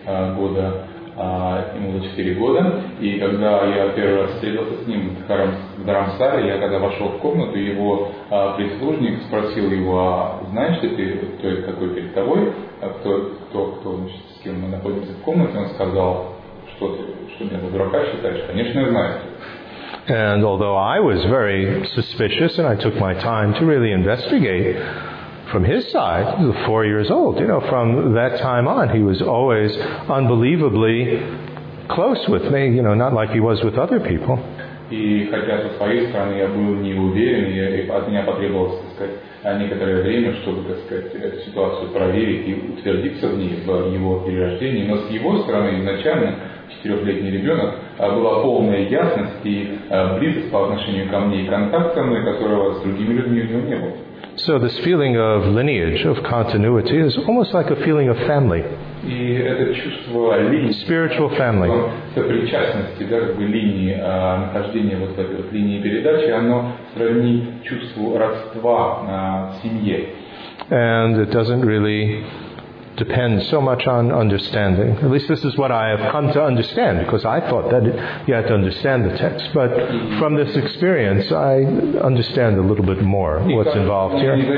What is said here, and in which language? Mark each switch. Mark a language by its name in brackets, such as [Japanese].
[Russian] Ему было 4 года, и когда я первый раз встретился с ним в Дарамсаре, я когда вошел в комнату, его прислужник спросил его, а знаешь ли ты, кто это такой перед тобой, кто значит, с кем мы находимся в комнате, он сказал, что ты, что меня за дурака считаешь, конечно, я знаю. [English] And although I was very suspicious, and I took my time to really investigate, from his side, he was 4 years old. You know, from that time on, he was always unbelievably close with me. You know, not like he was with other people. [Russian] И хотя со своей стороны я был не уверен, и от меня потребовалось, так сказать, некоторое время, чтобы, так сказать, эту ситуацию проверить и утвердиться в ней, в его перерождении. Но с его стороны изначально 4-летний ребенок была полная ясность и близость по отношению ко мне и контакт со мной, которого с другими людьми у него не было. [English] So this feeling of lineage, of continuity, is almost like a feeling of family. [Russian] И это чувство линии, [English] spiritual family. [Russian] Сопричастности, да, как бы линии, нахождения вот этой вот линии передачи, оно сравни чувству родства в семье. [English] And it doesn't really depend so much on understanding. At least this is what I have come to understand, because I thought that you had to understand the text. But from this experience, I understand a little bit more what's involved here.